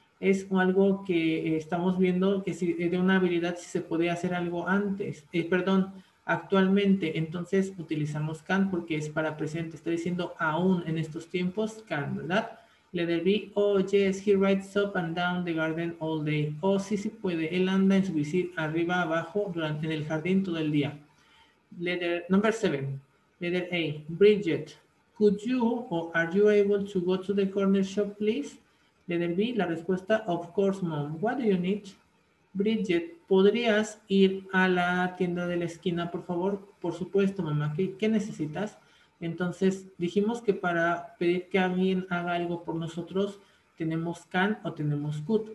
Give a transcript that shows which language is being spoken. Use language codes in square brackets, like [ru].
[es] Es algo que estamos viendo que si de una habilidad si se podía hacer algo antes, actualmente, entonces utilizamos can porque es para presente, está diciendo aún en estos tiempos can, ¿verdad? [en] Letter B, oh yes, he rides up and down the garden all day. [es] Oh, sí, sí puede, él anda en su bici arriba, abajo, durante en el jardín todo el día. [en] Number 7, letter A, Bridget, could you or are you able to go to the corner shop, please? Letter B, [es] la respuesta, [en] of course, mom. What do you need? [es] Bridget, ¿podrías ir a la tienda de la esquina, por favor? Por supuesto, mamá. ¿Qué necesitas? Entonces, dijimos que para pedir que alguien haga algo por nosotros, tenemos can o tenemos could.